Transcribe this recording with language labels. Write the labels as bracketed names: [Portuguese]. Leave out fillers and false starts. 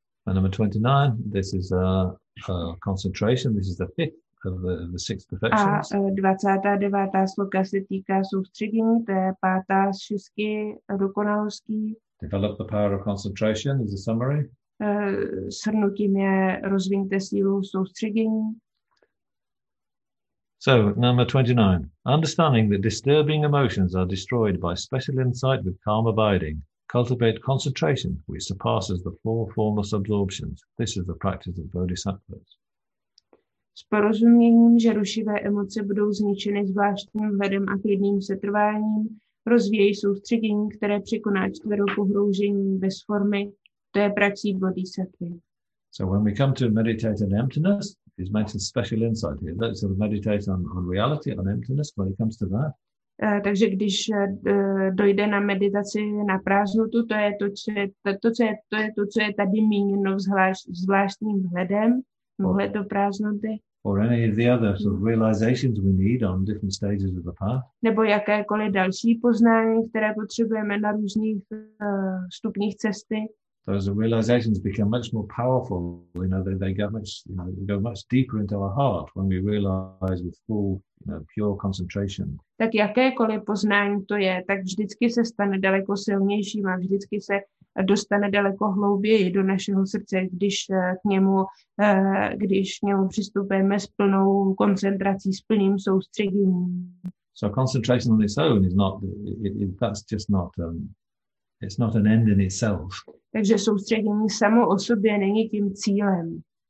[English] And number 29, this is concentration, this is the fifth of the six perfections. [Czech] A 29. sloka se týká soustředění, to je pátá z šestky dokonalostí. [English] Develop the power of concentration is a summary. [Czech] Shrnutím je rozvíjte sílu soustředění. [English] So, number 29. Understanding that disturbing emotions are destroyed by special insight with calm abiding. Cultivate concentration, which surpasses the four formless absorptions. This is the practice of bodhisattvas. [Czech] S porozuměním, že rušivé emoce budou zničeny zvláštním vedem a klidným setrváním, rozvíjí soustředění, které překoná čtvrou pohroužení bez formy. To je praxí bodhisattvy. [English] So when we come to meditate on emptiness, he's mentioned special insight here. Let's sort of meditate on reality, on emptiness, when it comes to that. [Czech] Takže když dojde na meditaci na prázdnotu, to je to, co je, to, co je tady míněno zvláštním vhledem, vhled do prázdnoty. [English] Or any of the other sort of realizations we need on different stages of the path. [Czech] Nebo jakékoliv další poznání, které potřebujeme na různých stupních cesty. [English] Those realizations become much more powerful, you know, they go much deeper into our heart when we realize with full, you know, pure concentration. [Czech] Tak jakékoliv poznání to je, tak vždycky se stane daleko silnějším a vždycky se dostane daleko hlouběji do našeho srdce, když k němu přistupujeme s plnou koncentrací, s plným soustředěním. [English] So concentration on its own is not, that's just not, it's not an end in itself. [Czech] Takže soustředění samo o sobě není tím cílem.